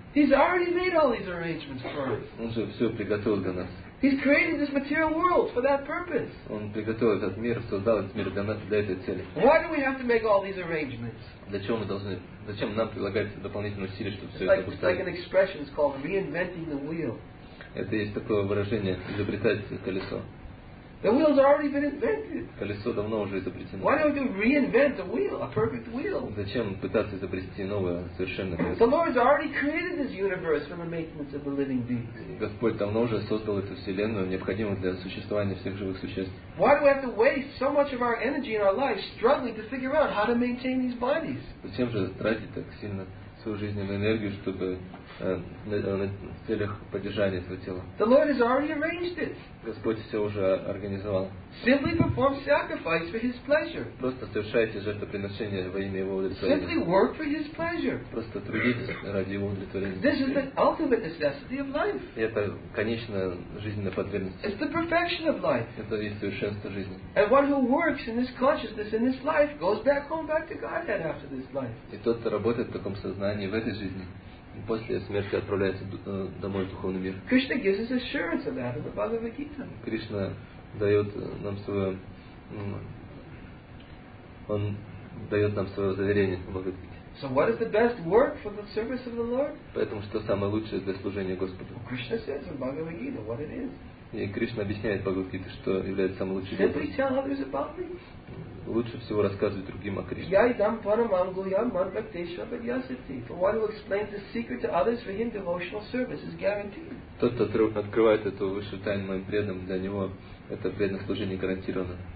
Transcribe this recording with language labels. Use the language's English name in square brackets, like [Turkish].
[English] He's already made all these arrangements for us. [Russian] Он же все приготовил для нас. [English] He's created this material world for that purpose. [Russian] Он приготовил этот мир, создал этот мир для нас для этой цели. [English] Why do we have to make all these arrangements? [Russian] Для чего мы должны, зачем нам прилагать дополнительные усилия, чтобы все это устроить? [English] It's like an expression is called reinventing the wheel. [Russian] Это есть такое выражение изобретать колесо. [English] The wheel's already been invented. [Russian] Колесо давно уже изобретено. [English] Why don't we reinvent a wheel, a perfect wheel? [Russian] Зачем пытаться изобрести новое совершенное колесо? [English] The Lord's already created this universe for the maintenance of the living beings. [Russian] Господь давно уже создал эту вселенную, необходимую для существования всех живых существ. [English] Why do we have to waste so much of our energy in our life struggling to figure out how to maintain these bodies? [Russian] Зачем же тратить так сильно свою жизненную энергию, чтобы на целях поддержания этого тела. [English] The Lord has already arranged it. [Russian] Господь все уже организовал. [English] Simply perform sacrifice for His pleasure. [Russian] Просто совершайте жертвоприношение во имя Его удовлетворения. [English] Simply work for His pleasure. [Russian] Просто трудитесь ради Его удовлетворения. [English] This is the ultimate necessity of life. [Russian] Это конечная жизненная потребность. [English] It's the perfection of life. [Russian] Это и совершенство жизни. [English] And one who works in this consciousness in this life goes back home back to Godhead after this life. [Russian] И тот, кто работает в таком сознании в этой жизни. После смерти отправляется домой в духовный мир. [English] Krishna gives us assurance of that in the Bhagavad Gita. [Russian] Кришна дает нам свое, он дает нам свое заверение в Бхагавад Гите. [English] So what is the best work for the service of the Lord? [Russian] Поэтому что самое лучшее для служения Господу? [English] Well, Krishna says in Bhagavad Gita what it is. [Russian] И Кришна объясняет Бхагавад Гите, что является самым лучшим. [English] Simply tell others about me. [Russian] Лучше всего рассказывать другим о Кришне. Тот, кто открывает эту высшую тайну моим преданным, для него это преданное служение гарантировано.